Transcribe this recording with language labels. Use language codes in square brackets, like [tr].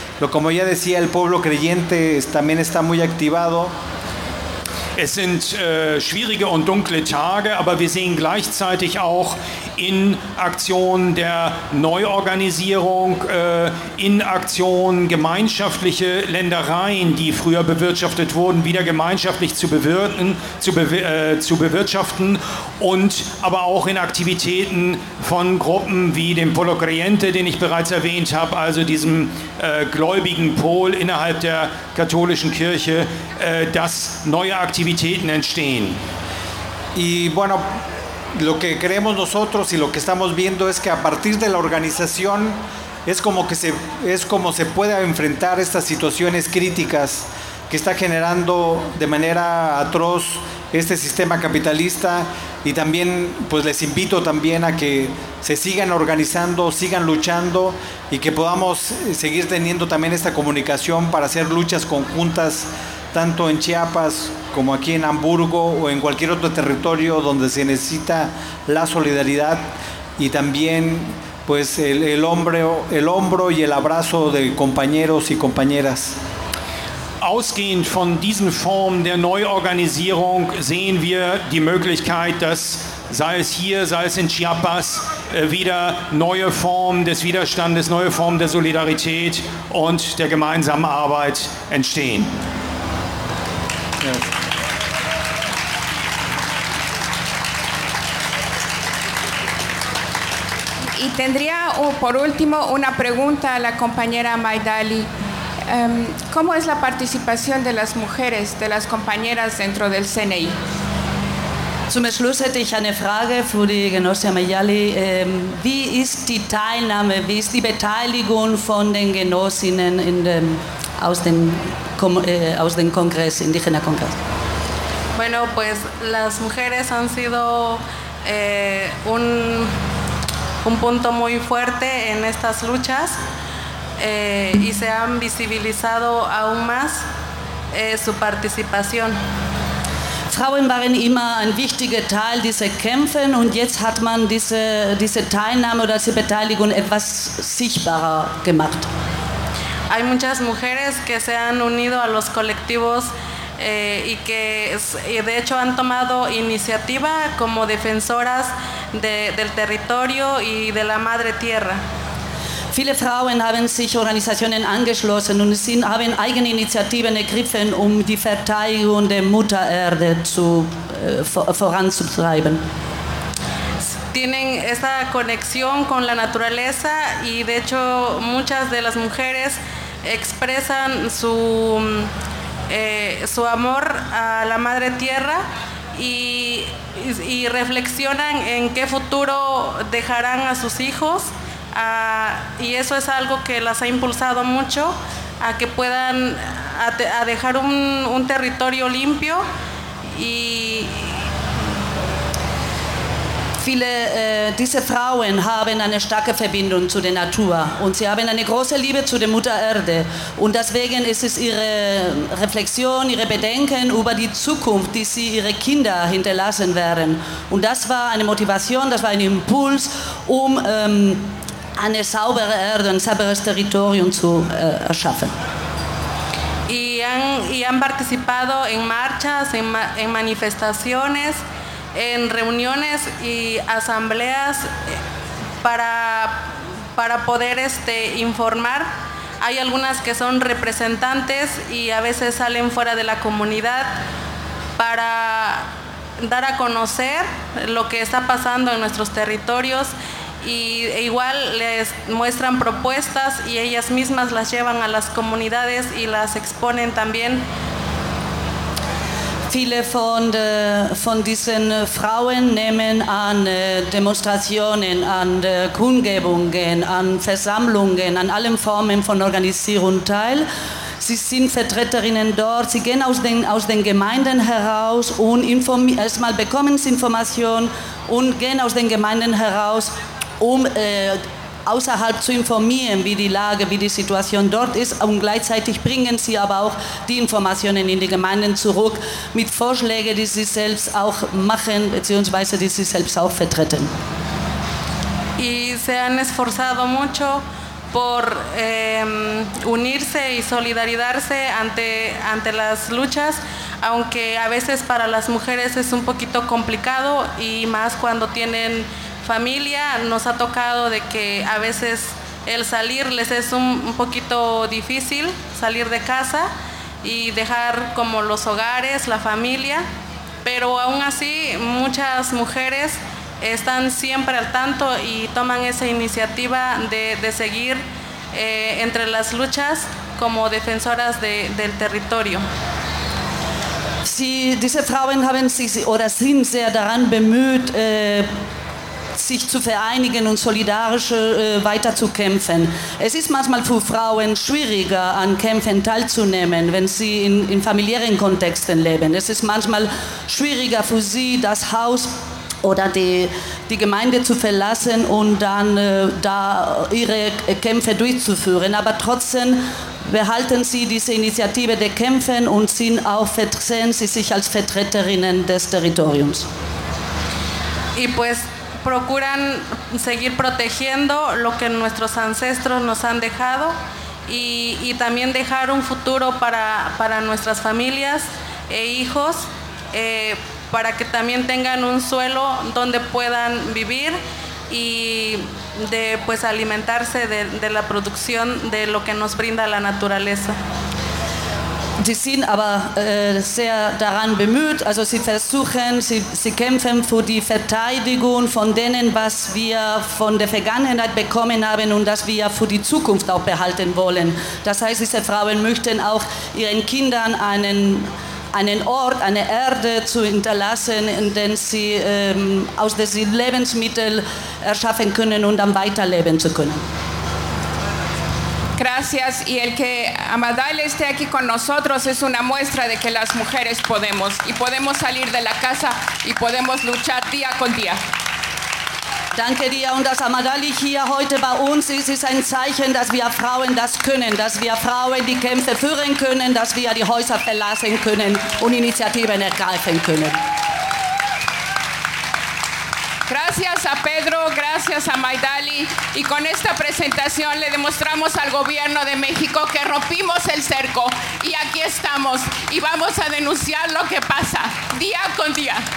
[es] Como ya decía, el pueblo creyente también está muy activado. [de] Es sind schwierige und dunkle Tage, aber wir sehen gleichzeitig auch in Aktionen der Neuorganisierung, in Aktionen gemeinschaftliche Ländereien, die früher bewirtschaftet wurden, wieder gemeinschaftlich zu bewirtschaften und aber auch in Aktivitäten von Gruppen wie dem Polo Creyente, den ich bereits erwähnt habe, also diesem gläubigen Pol innerhalb der katholischen Kirche, dass neue Aktivitäten entstehen. [es] Y bueno, lo que creemos nosotros y lo que estamos viendo es que a partir de la organización es como se puede enfrentar estas situaciones críticas que está generando de manera atroz este sistema capitalista. Y también, pues les invito también a que se sigan organizando, sigan luchando y que podamos seguir teniendo también esta comunicación para hacer luchas conjuntas tanto en Chiapas como aquí en Hamburgo o en cualquier otro territorio donde se necesita la solidaridad y también pues el hombro y el abrazo de compañeros y compañeras. [de] Ausgehend von diesen Formen der Neuorganisierung sehen wir die Möglichkeit, dass, sei es hier, sei es in Chiapas, wieder neue Formen des Widerstandes, neue Formen der Solidarität und der gemeinsamen Arbeit entstehen. [es] Y tendría por último una pregunta a la compañera Maidali. ¿Cómo es la participación de las mujeres, de las compañeras dentro del CNI? [de] Zum Schluss hätte ich eine Frage für die Genossin Maidali. Wie ist die Teilnahme, wie ist die Beteiligung von den Genossinnen in dem, aus dem Kongress, Indigena Kongress? [es] Bueno, pues las mujeres han sido un punto muy fuerte en estas luchas y se han visibilizado aún más su participación. [de] Frauen waren immer ein wichtiger Teil dieser Kämpfe und jetzt hat man diese Teilnahme oder diese Beteiligung etwas sichtbarer gemacht. [es] Hay muchas mujeres que se han unido a los colectivos y que y de hecho han tomado iniciativa como defensoras del territorio y de la madre tierra. [de] Viele Frauen haben sich Organisationen angeschlossen und haben eigene Initiativen ergriffen, um die Verteidigung der Mutter Erde voranzutreiben. [es] Tienen esa conexión con la naturaleza y de hecho muchas de las mujeres expresan su amor a la madre tierra y reflexionan en qué futuro dejarán a sus hijos y eso es algo que las ha impulsado mucho a que puedan a dejar un territorio limpio y [de] viele diese Frauen haben eine starke Verbindung zu der Natur und sie haben eine große Liebe zu der Mutter Erde. Und deswegen ist es ihre Reflexion, ihre Bedenken über die Zukunft, die sie ihre Kinder hinterlassen werden. Und das war eine Motivation, das war ein Impuls, um eine saubere Erde, ein sauberes Territorium zu erschaffen. [es] Y han participado en marchas, en manifestaciones, en reuniones y asambleas para poder informar. Hay algunas que son representantes y a veces salen fuera de la comunidad para dar a conocer lo que está pasando en nuestros territorios y igual les muestran propuestas y ellas mismas las llevan a las comunidades y las exponen también. [de] Viele von diesen Frauen nehmen an Demonstrationen, an Kundgebungen, an Versammlungen, an allen Formen von Organisierung teil. Sie sind Vertreterinnen dort, sie gehen aus den Gemeinden heraus und erstmal bekommen sie Informationen und gehen aus den Gemeinden heraus, um außerhalb zu informieren, wie die Lage, wie die Situation dort ist. Und gleichzeitig bringen sie aber auch die Informationen in die Gemeinden zurück mit Vorschlägen, die sie selbst auch machen bzw. die sie selbst auch vertreten. [es] Y se han esforzado mucho por unirse y solidarizarse ante las luchas, aunque a veces para las mujeres es un poquito complicado y más cuando tienen familia, nos ha tocado de que a veces el salir les es un poquito difícil, salir de casa y dejar como los hogares, la familia, pero aún así muchas mujeres están siempre al tanto y toman esa iniciativa de seguir entre las luchas como defensoras del territorio. [de] Sie, diese Frauen haben sich oder sind sehr daran bemüht, sich zu vereinigen und solidarisch weiterzukämpfen. Es ist manchmal für Frauen schwieriger, an Kämpfen teilzunehmen, wenn sie in familiären Kontexten leben. Es ist manchmal schwieriger für sie, das Haus oder die Gemeinde zu verlassen und dann da ihre Kämpfe durchzuführen. Aber trotzdem behalten sie diese Initiative der Kämpfen und sehen sie sich als Vertreterinnen des Territoriums. [es] Y pues procuran seguir protegiendo lo que nuestros ancestros nos han dejado y también dejar un futuro para nuestras familias e hijos, para que también tengan un suelo donde puedan vivir y de pues alimentarse de la producción de lo que nos brinda la naturaleza. [de] Sie sind aber sehr daran bemüht, also sie versuchen, sie kämpfen für die Verteidigung von denen, was wir von der Vergangenheit bekommen haben und das wir für die Zukunft auch behalten wollen. Das heißt, diese Frauen möchten auch ihren Kindern einen Ort, eine Erde zu hinterlassen, in der sie aus der sie Lebensmittel erschaffen können und dann weiterleben zu können. [es] Gracias, y el que Amadal esté aquí con nosotros es una muestra de que las mujeres podemos y podemos salir de la casa y podemos luchar día con día. [de] Danke dir, und dass Amadali hier heute bei uns ist, ist ein Zeichen, dass wir Frauen das können, dass wir Frauen die Kämpfe führen können, dass wir die Häuser verlassen können und Initiativen ergreifen können. [es] Gracias a Pedro, gracias a Maidali, y con esta presentación le demostramos al gobierno de México que rompimos el cerco y aquí estamos y vamos a denunciar lo que pasa día con día.